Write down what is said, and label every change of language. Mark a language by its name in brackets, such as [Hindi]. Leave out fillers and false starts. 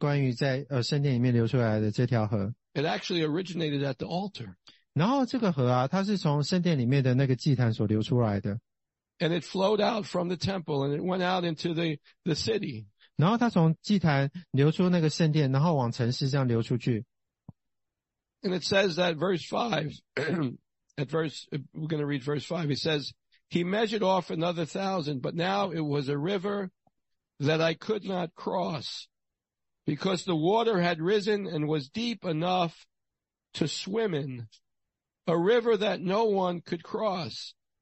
[Chinese] 所以先知以西结他就有一个意象，他那意象就是关于在圣殿里面流出来的这条河。 [English] It actually originated at the altar. [Chinese] 然后这个河啊，它是从圣殿里面的那个祭坛所流出来的。 [English] And it flowed out from the temple and it went out into the city. [Chinese] 然后它从祭坛流出那个圣殿，然后往城市这样流出去。 [English] And it says that verse 5, we're going to read verse 5, it says, He measured off another 1,000, but now it was a river that I could not cross. Because the water had risen and was deep enough to swim in, a river that no one could cross.